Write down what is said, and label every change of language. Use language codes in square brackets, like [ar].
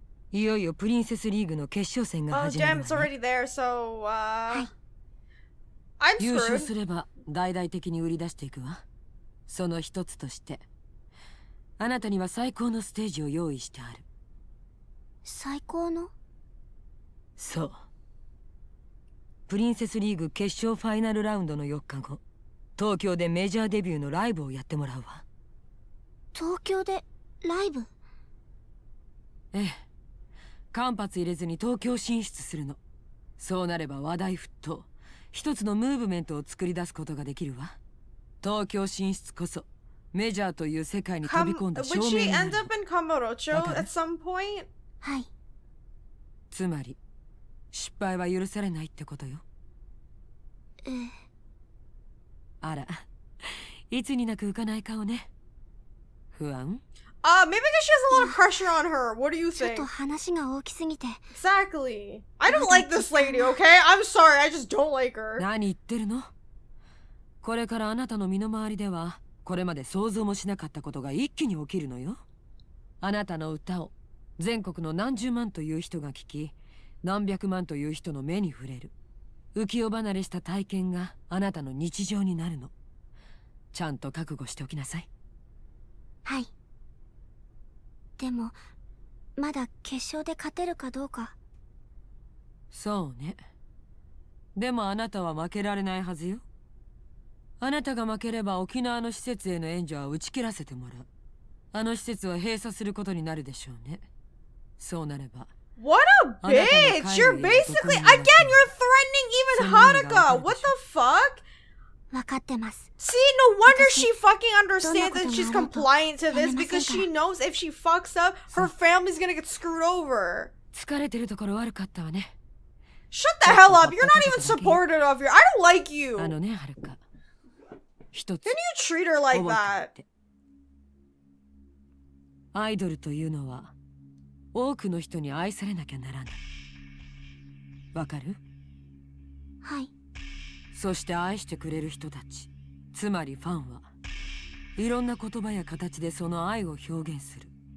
[ja] いよいよプリンセスリーグの決勝戦が始まるわね。 [en] Oh, damn, it's already there, so, I'm screwed. [ja] 優勝すれば 大々的に売り出していくわ。その一つとして あなたには最高のステージを用意してある。最高の? そう。プリンセスリーグ決勝ファイナルラウンドの4日後、 東京でメジャーデビューのライブをやってもらうわ。東京でライブ? ええ、間髪入れずに東京進出するの。そうなれば話題沸騰、一つのムーブメントを作り出すことができるわ。東京進出こそメジャーという世界に飛び込んだ証明になる。 [en] Would she end up in Kamurocho at some point? [ja] はい、つまり失敗は許されないってことよ。ええ、あら、いつになく浮かない顔ね。不安？ [en] Maybe because she has a lot of pressure on her. What do you think? [ja] ちょっと話が大きすぎて。 [en] Exactly. I don't like this lady, okay? I'm sorry, I just don't like her. [ja] 何言ってるの？これからあなたの身の回りでは、これまで想像もしなかったことが一気に起きるのよ。あなたの歌を全国の何十万という人が聞き、何百万という人の目に触れる。浮世離れした体験があなたの日常になるの。ちゃんと覚悟しておきなさい。はい。でもまだ決勝で勝てるかどうか。そうね。でもあなたは負けられないはずよ。あなたが負ければ沖縄の施設への援助は打ち切らせてもらう。あの施設は閉鎖することになるでしょうね。そうなれば。 [en] What a bitch! You're basically again. You're threatening even Haruka. What the fuck? [ja] わかってます。 [en] See, no wonder she fucking understands that she's compliant to this because she knows if she fucks up, her family's gonna get screwed over. [ja] 疲れてるところ悪かったわね。 [en] Shut the hell up! You're not even supportive of your. I don't like you. [ja] あのね、ハルカ。 [en] Then you treat her like that. [ja] アイドルというのは。多くの人に愛されなきゃならない。わかる？はい。そして愛してくれる人たち、つまりファンは、いろんな言葉や形でその愛を表現する。